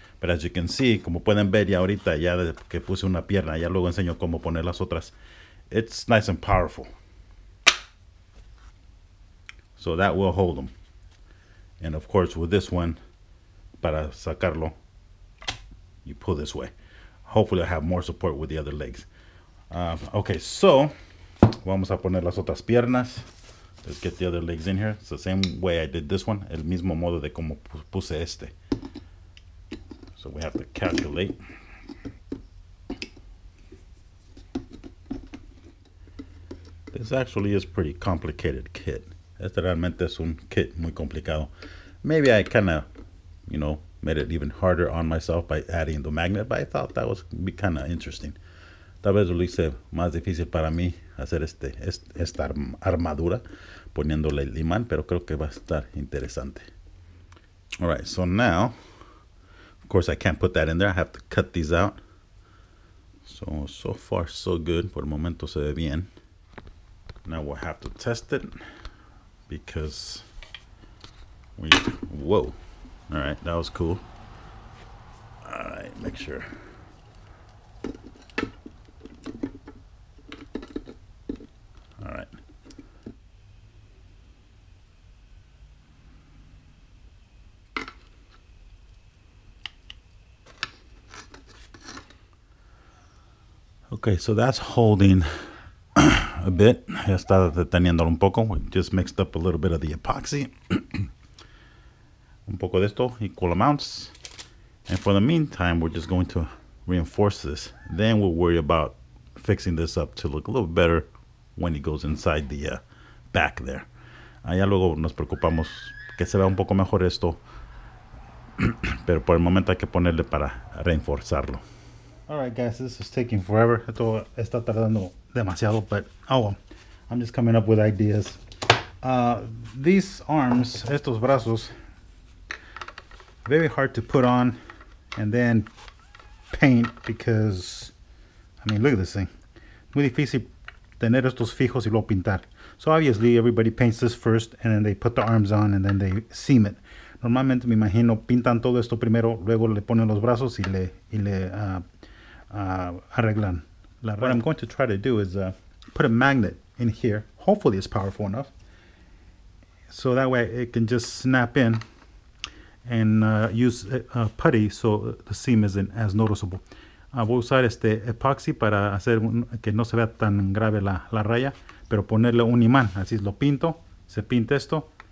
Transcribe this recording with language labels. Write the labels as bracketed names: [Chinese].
[English] But as you can see, [Spanish] como pueden ver ya ahorita, ya que puse una pierna, ya luego enseño cómo poner las otras. [English] It's nice and powerful. So that will hold them. And of course, with this one, [Spanish] para sacarlo, [English] you pull this way. Hopefully I have more support with the other legs. [Spanish] Okay, so vamos a poner las otras piernas. [English] Let's get the other legs in here. It's the same way I did this one. [Spanish] El mismo modo de como puse este. [English] So we have to calculate. This actually is pretty complicated kit. [Spanish] Este realmente es un kit muy complicado. [English] Maybe I kind of, you know, made it even harder on myself by adding the magnet, but I thought that was be kind of interesting. [Spanish] Tal vez lo hice más difícil para mí hacer esta armadura poniéndole el imán, pero creo que va a estar interesante. [English] All right, so now, of course, I can't put that in there. I have to cut these out. So far, so good. [Spanish] Por el momento se ve bien. [English] Now we'll have to test it because whoa. All right, that was cool. All right, make sure. Okay, so that's holding a bit. [Spanish] Ya está deteniendo un poco. [English] We just mixed up a little bit of the epoxy. [Spanish] Un poco de esto, [English] equal amounts. And for the meantime, we're just going to reinforce this. Then we'll worry about fixing this up to look a little better when it goes inside the back there. [Spanish] Allá luego nos preocupamos que se vea un poco mejor esto. Pero por el momento hay que ponerle para reinforzarlo. [English] All right, guys, this is taking forever. [Spanish] Esto está tardando demasiado, [English] but oh well. I'm just coming up with ideas. These arms, [Spanish] estos brazos, [English] very hard to put on and then paint because, I mean, look at this thing. [Spanish] Muy difícil tener estos fijos y luego pintar. [English] So obviously, everybody paints this first and then they put the arms on and then they seam it. [Spanish] Normalmente, me imagino, pintan todo esto primero, luego le ponen los brazos arreglan. [English] What I'm going to try to do is put a magnet in here. Hopefully it's powerful enough. So that way it can just snap in and use a putty so the seam isn't as noticeable. [Spanish] Voy a usar este epoxy para hacer que no se vea tan grave la raya, pero ponerle un imán. Así lo pinto, se pinta esto